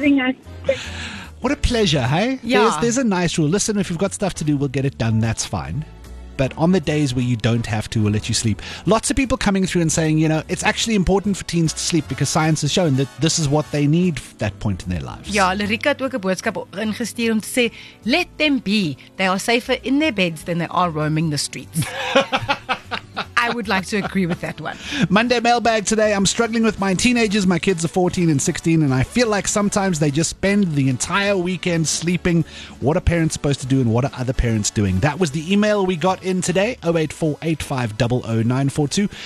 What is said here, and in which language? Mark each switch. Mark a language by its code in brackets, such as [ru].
[en] Thanks for having us. What a pleasure, hey? Yeah. There's a nice rule. Listen, if you've got stuff to do, we'll get it done. That's fine. But on the days where you don't have to, we'll let you sleep. Lots of people coming through and saying, you know, it's actually important for teens to sleep because science has shown that this is what they need at that point in their lives. [af] Ja, Lerika het ook 'n boodskap ingestuur om te sê, [en] let them be. They are safer in their beds than they are roaming the streets. I would like to agree with that one. Monday mailbag today. I'm struggling with my teenagers. My kids are 14 and 16, and I feel like sometimes they just spend the entire weekend sleeping. What are parents supposed to do, and what are other parents doing? That was the email we got in today, 0848500942.